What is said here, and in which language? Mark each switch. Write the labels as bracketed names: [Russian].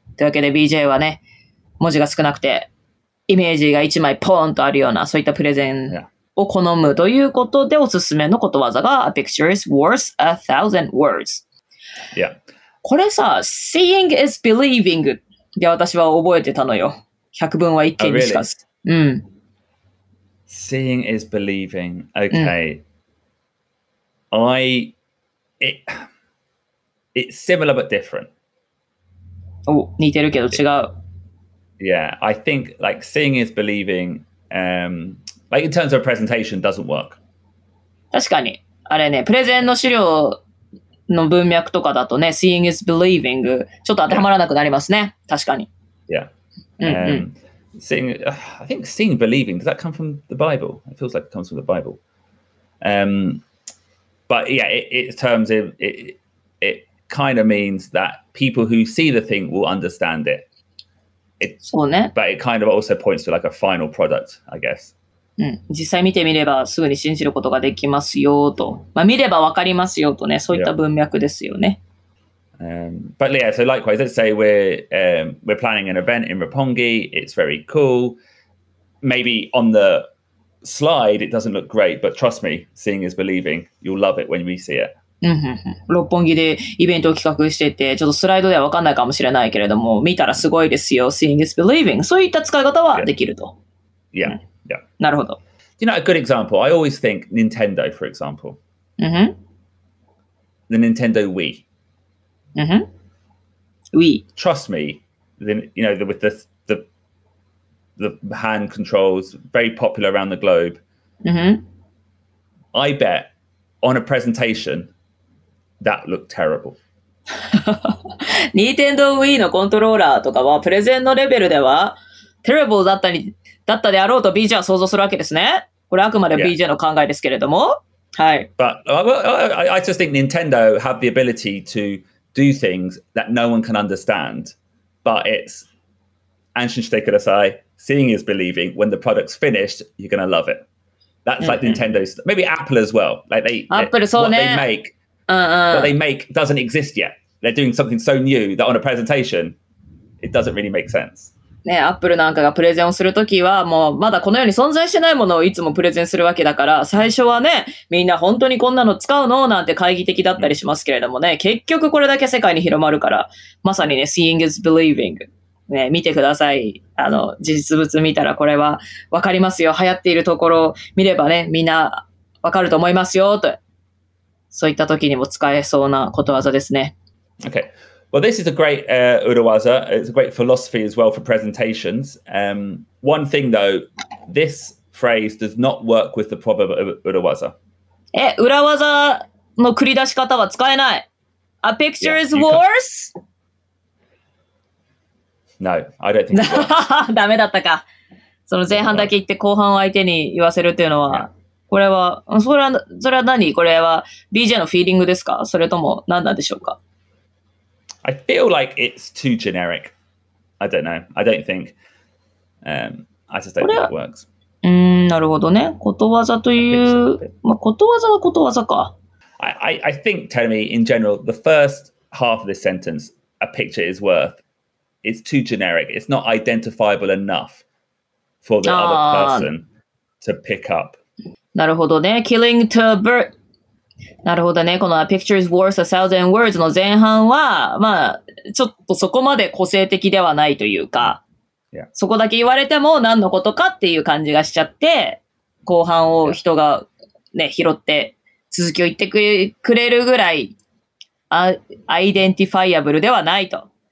[Japanese] というわけで BJ はね、文字が少なくてイメージが一枚ポーンとあるようなそういったプレゼンを好むということで、おすすめのことわざが、 [English] yeah. A picture is worth a thousand words、 yeah. [Japanese] これさ、 [English] Seeing is believing [Japanese] で私は覚えてたのよ。百聞は一見にしかず、 [English] oh, really? Seeing is believing. Okay、It's similar but different. [Japanese] Oh, 似てるけど違う。 [English] Yeah, I think like seeing is believing, like in terms of a presentation doesn't work. [Japanese] 確かに。あれね、プレゼンの資料の文脈とかだとね、 [English] seeing is believing, [Japanese] ちょっと当てはまらなくなりますね。 [English] Yeah. [Japanese] 確かに。 [English] Yeah. [Japanese] うんうん。 [English] seeing, I think seeing, believing, does that come from the Bible? It feels like it comes from the Bible. But yeah, it kind of means that people who see the thing will understand it. It's, [Japanese] そうね。 [English] But it kind of also points to like a final product, I guess. [Japanese] うん、実際見てみればすぐに信じることができますよと、まあ、見ればわかりますよとね、そういった文脈ですよね。 [English] Yeah. But yeah, so likewise, let's say we're planning an event in Roppongi. It's very cool. Maybe on the slide, it doesn't look great, but trust me, seeing is believing. You'll love it when we see it. [Japanese] Roppongi でイベントを企画してて、ちょっとスライドではわかんないかもしれないけれども、見たらすごいですよ。 [English] Seeing is believing. [Japanese] そういった使い方はできると。 [English] Yeah.、うんYeah. [Japanese] なるほど。 [English] You know, a good example, I always think Nintendo, for example. Mm-hmm. The Nintendo Wii. Mm-hmm. Wii. Trust me, with the hand controls, very popular around the globe. Mm-hmm. I bet on a presentation, that looked terrible. [Japanese] Nintendo Wii のコントローラーとかはプレゼンのレベルでは terrible だったり、だったであろうと BJ は想像するわけですね。これあくまで BJ の考えですけれども、 [English] yeah. [Japanese] はい。 [English] But I just think Nintendo have the ability to do things that no one can understand. But it's [Japanese] 安心してください。 [English] Seeing is believing. When the product's finished, you're gonna love it. That's like、mm-hmm. Nintendo's. Maybe Apple as well. Like they [Japanese] Apple, そうね。 [English] What they make, what they make doesn't exist yet. They're doing something so new that on a presentation, it doesn't really make sense. [Japanese] ね、アップルなんかがプレゼンをするときはもうまだこの世に存在してないものをいつもプレゼンするわけだから最初はねみんな本当にこんなの使うのなんて懐疑的だったりしますけれどもね結局これだけ世界に広まるからまさにね [English] Seeing is believing、 [Japanese] ね、見てくださいあの実物見たらこれはわかりますよ流行っているところを見ればねみんなわかると思いますよとそういったときにも使えそうなことわざですね [English] OKWell, this is a great urawaza. It's a great philosophy as well for presentations. One thing though, this phrase does not work with the proverb urawaza. [Japanese] え、urawaza の繰り出し方は使えない。 [English] A picture is worse? No, I don't think so. [Japanese] ダメだったか。その前半だけ言って後半を相手に言わせるっていうのは、これは、それは何？これは BJ のフィーリングですか？それとも何なんでしょうか？ [English] I feel like it's too generic. I don't know. I don't think. I just don't think it works. [Japanese] なるほどね。ことわざという、まあ、ことわざはことわざか。 [English] I think, tell me, in general, the first half of this sentence, a picture is worth, is too generic. It's not identifiable enough for the other person to pick up. [Japanese] なるほどね。 [English] Killing to a bird. [Japanese] なるほどね。この [English] picture is worth a thousand words [Japanese] の前半は、まあ、ちょっとそこまで個性的ではないというか、 [English] yeah. [Japanese] そこだけ言われても何のことかっていう感じがしちゃって、後半を人がね、拾って続きを言ってくれるぐらい、identifiable ではないと。